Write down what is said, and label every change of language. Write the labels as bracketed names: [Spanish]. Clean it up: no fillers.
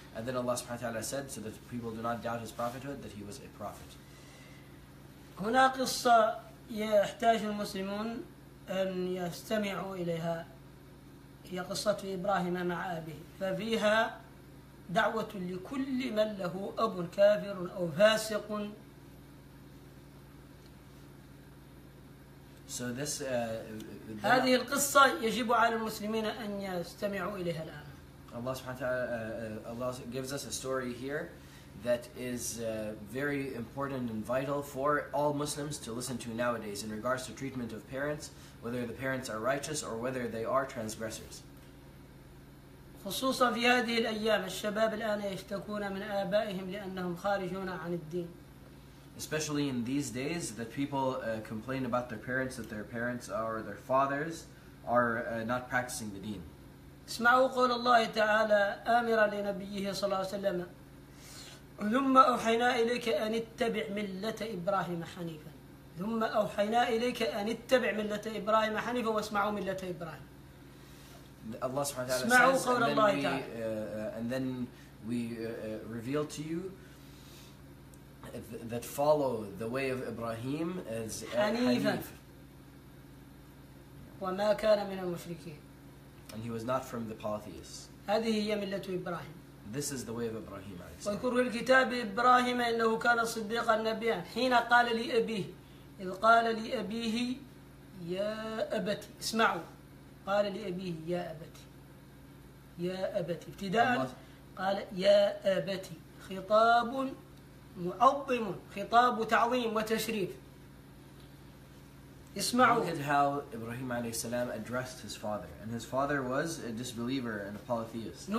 [English] And then Allah subhanahu wa ta'ala said, so that people do not doubt his prophethood, that he was a prophet. [Arabic] هنا قصة يحتاج المسلمون أن يستمعوا إليها هي قصة إبراهيم مع أبيه ففيها دعوة لكل من له أب كافر أو فاسق [English] so this, [Arabic] هذه القصة يجب على المسلمين أن يستمعوا إليها الآن [English] Allah subhanahu wa ta'ala, Allah gives us a story here that is very important and vital for all Muslims to listen to nowadays in regards to treatment of parents, whether the parents are righteous or whether they are transgressors. [Arabic] خصوصاً في هذه الأيام الشباب الآن يشتكون من آبائهم لأنهم خارجون عن الدين. [English] Especially in these days that people complain about their parents or their fathers are not practicing the deen. [Arabic] اسمعوا قول الله تعالى آمراً لنبيه صلى الله عليه وسلم ثم أوحينا إليك أن اتبع ملة إبراهيم حنيفا ثم أوحينا إليك أن اتبع ملة إبراهيم حنيفا واسمعوا ملة إبراهيم الله سبحانه وتعالى اسمعوا قول الله تعالى [English] and then we reveal to you that follow the way of Ibrahim as حنيفا [Arabic] حنيف. وما كان من المشركين. [English] And he was not from the polytheists. [Arabic] هذه هي ملة إبراهيم. [English] This is the way of Ibrahim. [Arabic] وذكر الكتاب إبراهيم إنه كان صديقا نبيا حين قال لأبيه إذ قال لأبيه يا أبتي اسمعوا قال لأبيه يا أبتي يا أبتي ابتداء قال يا أبتي خطاب معظم خطاب تعظيم وتشريف اسمعوا. [English] Look at how Ibrahim [Arabic] عليه السلام [English] addressed his father, and his father was a disbeliever and a polytheist.